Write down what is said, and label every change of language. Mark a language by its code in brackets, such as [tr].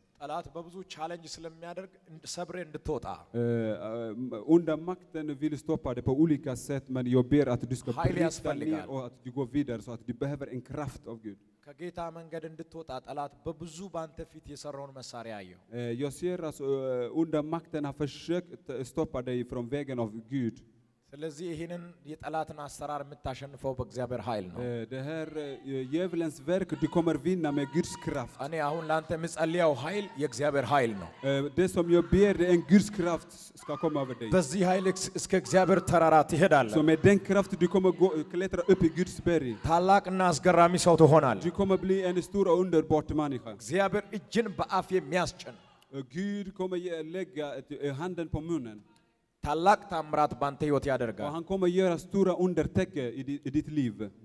[am] ጣላት በብዙ ቻሌንጅ ስለሚያደርግ እንድሰብሬ እንድትወጣ [sv] unda makten vill stoppa det på olika sätt men jag ber att du ska bryta ner och att du går vidare så att du behöver en kraft av Gud. [am] ከጌታ መንገድ እንድትወጣ ጣላት በብዙ ባንተ ፊት የሰራውን መሳሪያ አየው. [sv] Jag ser att unda makten har försökt stoppa dig from vägen av Gud. [am] ስለዚህ ይሄንን የጣላትን አሰራር መታሸንፈው በእግዚአብሔር ኃይል ነው. [sv] Det här djävulens verk du kommer vinna med Guds kraft. [am] እኔ አሁን ላንተ መጸልያው ኃይል የእግዚአብሔር ኃይል ነው. [sv] Det som jag ber en Guds kraft ska komma över dig. [am] በዚህ ኃይል እስከ እግዚአብሔር ተራራ ትሄዳለህ. [sv] So med den kraft du kommer go klättra upp i Guds berg. [am] ታላቅና አስገራሚ ሰው ትሆናለህ. [sv] Du kommer bli en stor och underbar man. [am] እግዚአብሔር እጅን በአፍ የሚያስጭን. [sv] Gud kommer lägga handen på munnen. [am] ታላቅ ታምራት ባንተ ህይወት ያደርጋል. አሁን ቆመ የራስቱራ አንደርቴክ ኢዲት ሊቭ